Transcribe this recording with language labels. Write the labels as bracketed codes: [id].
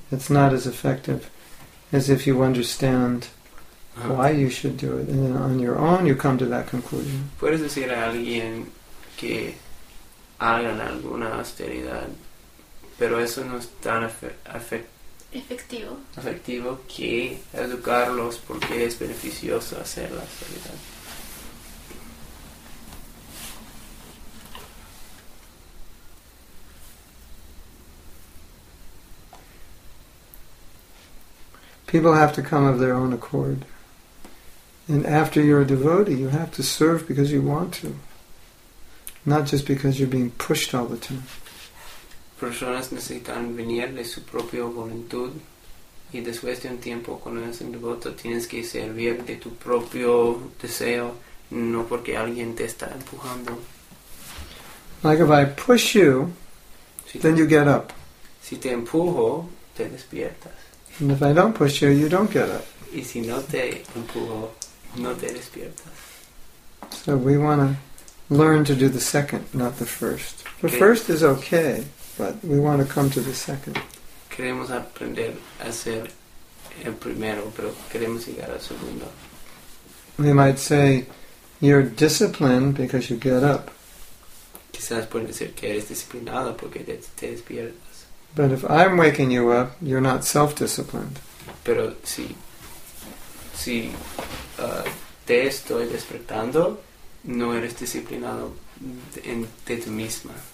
[en] It's not as effective as if you understand why you should do it, and then on your own you come to that conclusion. [es] Puedes decir a alguien que hagan alguna austeridad, pero eso no es tan efectivo. Efectivo que educarlos porque es beneficioso hacer la austeridad. [en] People have to come of their own accord. And after you're a devotee, you have to serve because you want to, not just because you're being pushed all the time. [es] Personas necesitan venir de su propia voluntad, y después de un tiempo, cuando eres un devoto, tienes que servir de tu propio deseo, no porque alguien te está empujando. [en] Like if I push you, then you get up. [es] Si te empujo, te despiertas. [en] And if I don't push you, you don't get up. [es] Y si no te empujo, no te despiertas. [en] So we want to learn to do the second, not the first. The first is okay, but we want to come to the second. [es] Queremos aprender a ser el primero, pero queremos llegar al segundo. [en] We might say, you're disciplined because you get up. [es] Quizás pueden decir que eres disciplinado porque te despiertas. [en] But if I'm waking you up, you're not self-disciplined. [es] Pero si te estoy despertando, no eres disciplinado en de ti misma.